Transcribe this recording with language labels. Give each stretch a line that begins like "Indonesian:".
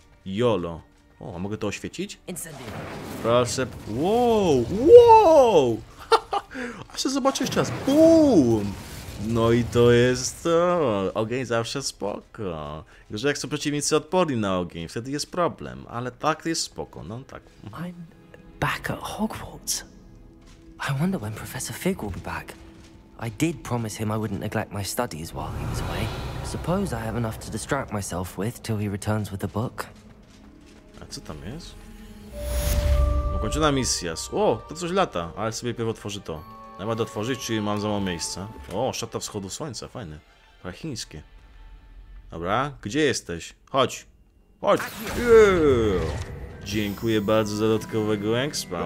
Polish: YOLO. O, a mogę to oświecić? Proszę... Wow! Wow! A się zobaczę jeszcze raz. BOOM! No i to jest to. Ogień zawsze spoko. Gdyż jak są przeciwnicy odporni na ogień, wtedy jest problem. Ale tak jest spoko, no tak.
English: I'm back at Hogwarts. I wonder when Professor Fig will be back. I did promise him I wouldn't neglect my studies while he was away. Suppose I have enough to distract myself with till he returns with the book.
Polish: A co tam jest? Ukończona misja. O, to coś lata, ale sobie pierw otworzy to. Najpierw otworzyć, czyli mam za mało miejsca. O, szata wschodu słońca, fajne. Trochę chińskie. Dobra, gdzie jesteś? Chodź. Chodź.
English: Yeah.
Polish: Dziękuję bardzo za dodatkowego expa.